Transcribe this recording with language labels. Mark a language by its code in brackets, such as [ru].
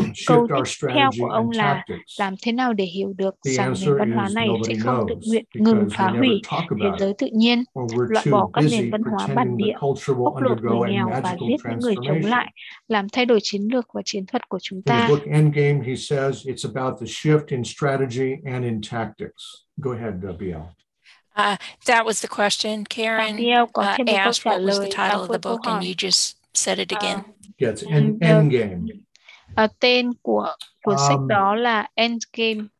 [vi] Câu tiếp theo của ông là, làm thế nào để hiểu được rằng nền văn hóa này sẽ không tự nguyện ngừng phá hủy thế giới tự nhiên, loại bỏ các nền văn hóa bản địa, bóc lột người nghèo và giết những người chống lại, làm thay đổi chiến lược và chiến thuật của chúng ta. [en] In the book Endgame, he says it's about the shift in strategy and in tactics. Go ahead, Biel. That was the question. Karen asked what was the title of the book, and you just said it again. Yeah, it's Endgame. [vi] Tên của cuốn sách đó là Endgame.